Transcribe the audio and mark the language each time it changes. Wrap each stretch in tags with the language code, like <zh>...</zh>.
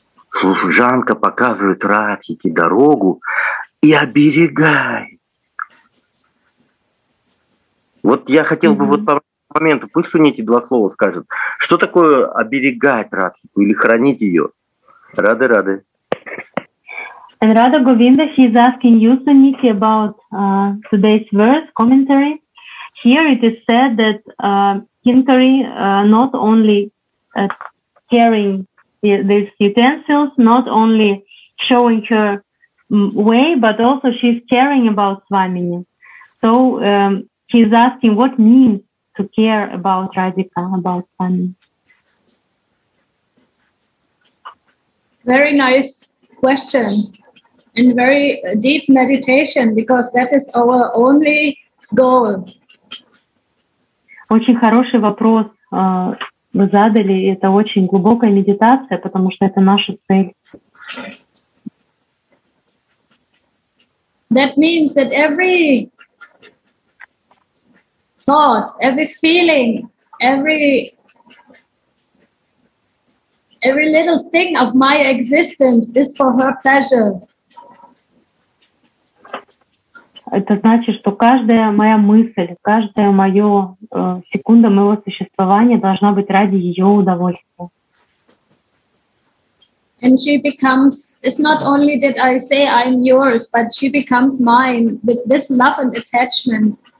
<ru>Служанка показывает Радхике дорогу и оберегает. Вот я хотел бы вот по моменту, пусть Сунити два слова скажет. Что такое оберегать Радхику или хранить ее? Рады.</ru> <en>And Radha Govinda, he is asking you, Suniti, about today's verse commentary. Here it is said that Kinkari not only carrying these utensils, not only showing her way, but also she's caring about Swamini. So he is asking what means to care about Radhika, about Swamini. Very nice question. And very deep meditation, because that is our only goal.</en> <ru>Очень хороший вопрос вы задали. Это очень глубокая медитация, потому что это наша цель.</ru> <en>That means that every thought, every feeling, every little thing of my existence is for her pleasure.</en> <ru>Это значит, что каждая моя мысль, каждая моя секунда моего существования должна быть ради ее удовольствия.</ru> <en>And she becomes, it's not only that I say I'm yours, but she becomes mine with this love and attachment.</en>